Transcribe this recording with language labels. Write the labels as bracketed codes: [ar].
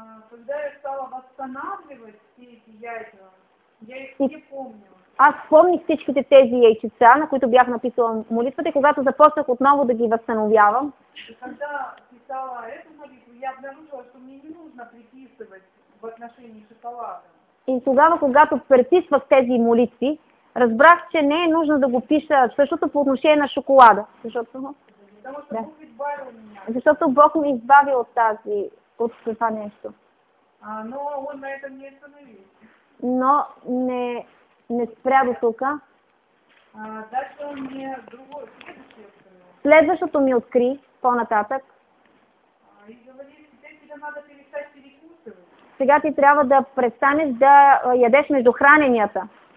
[ru] Когда я стала восстанавливать все эти яйца, я их не помню. [bg] Аз помних всичките тези яйчица, на които бях написала молитвата, и когато започнах отново да ги възстановявам. [ru] И когда писала эту молитву, я обнаружила, что мне не нужно приписывать в отношении шоколада. [bg] И тогава, когато приписвах тези молитви, разбрах, че не е нужно да го пиша същото по отношение на шоколада. Защото... [ru] Потому что да. Бог избавил меня. [bg] Защото Бог ме избави от тази, от това нещо. [ru] Но он на этом не остановился. [bg] Но не спря до тук. [ru] Дальше он мне другое, следующее открыл. [bg] Следващото ми откри по-нататък. [ru] И говорили, что тебе надо перестать перекусывать. [bg] Сега ти трябва да престанеш да ядеш между храненията.